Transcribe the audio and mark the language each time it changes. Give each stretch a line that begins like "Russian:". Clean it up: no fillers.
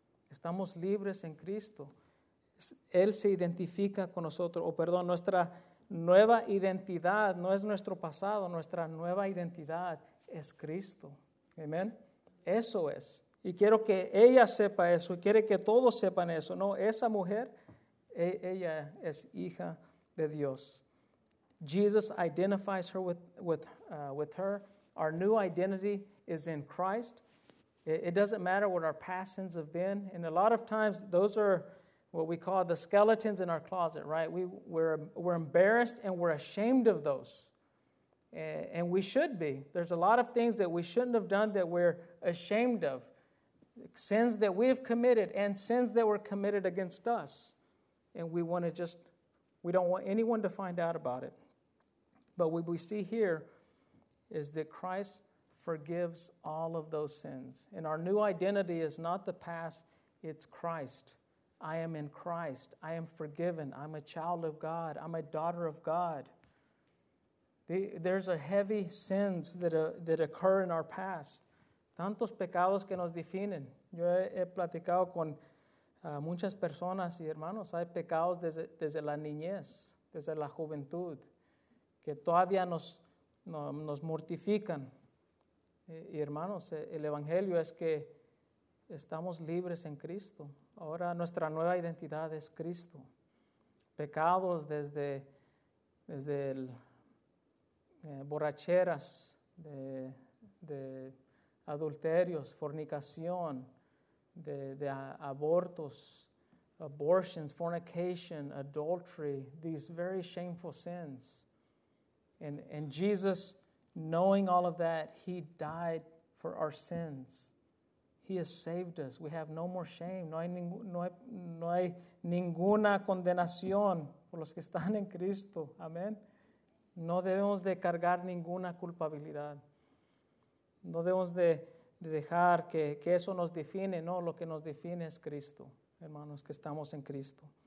Spanish: Estamos libres en Cristo. Él se identifica con nosotros, nuestra nueva identidad no es nuestro pasado, nuestra nueva identidad es Cristo. Amén. Eso es. Y quiero que ella sepa eso, quiere que todos sepan eso. No, esa mujer, ella es hija de Dios.
English: Jesus identifies her with her. Our new identity is in Christ. It doesn't matter what our past sins have been. And a lot of times those are what we call the skeletons in our closet, right? We're embarrassed and we're ashamed of those. And we should be. There's a lot of things that we shouldn't have done that we're ashamed of. Sins that we've committed and sins that were committed against us. And we don't want anyone to find out about it. But what we see here is that Christ forgives all of those sins. And our new identity is not the past, it's Christ. I am in Christ. I am forgiven. I'm a child of God. I'm a daughter of God. There's a heavy sins that occur in our past.
Spanish: Tantos pecados que nos definen. Yo he platicado con muchas personas y hermanos. Hay pecados desde la niñez, desde la juventud, que todavía nos mortifican. Y hermanos, el Evangelio es que estamos libres en Cristo. Ahora nuestra nueva identidad es Cristo. Pecados desde borracheras, de adulterios, fornicación, de abortos,
English: abortions, fornication, adultery, these very shameful sins.
Spanish: And Jesus, knowing all of that, he died for our sins. He has saved us. We have no more shame. No hay ninguna condenación por los que están en Cristo. Amén. No debemos de cargar ninguna culpabilidad. No debemos de dejar que eso nos define, no, lo que nos define es Cristo, hermanos, que estamos en Cristo.